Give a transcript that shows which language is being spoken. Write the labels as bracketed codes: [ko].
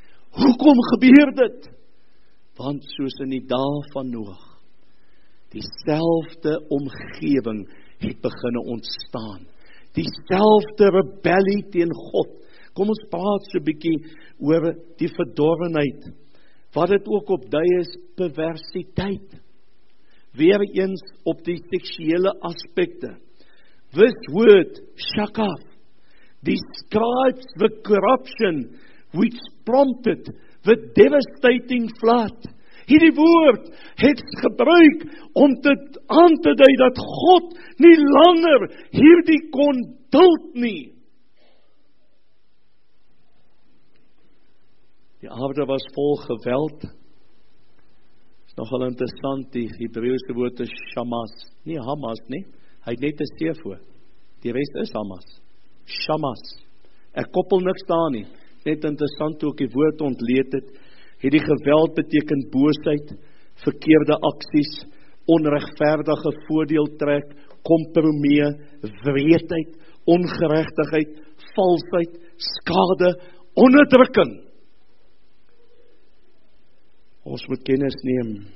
[af] Hoekom gebeur dit? Want soos in die dae van Noag, dieselfde omgewing het beginne ontstaan. Dieselfde rebellie teen God. Kom ons praat so 'n bietjie oor die verdorwenheid, wat dit ook op dui is, perversiteit. Weer eens op die seksuele aspekte. [en] This word, shaka, describes the corruption which prompted the devastating flood. [af] Hierdie woord het gebruik om dit aan te dui dat God nie langer hierdie kon duld nie. Die aarde was vol geweld. Is nogal interessant, die Hebreeuwse woord is shamas, nie hamas nie, hy het net een steevoor, die rest is hamas, shamas. Ek koppel niks daar nie, net interessant hoe ek die woord ontleed het. Het die geweld beteken boosheid, verkeerde acties, onrechtvaardige voordeeltrek, kompromie, wreedheid, ongeregtigheid, valsheid, skade, onderdrukking. Ons moet kennis neem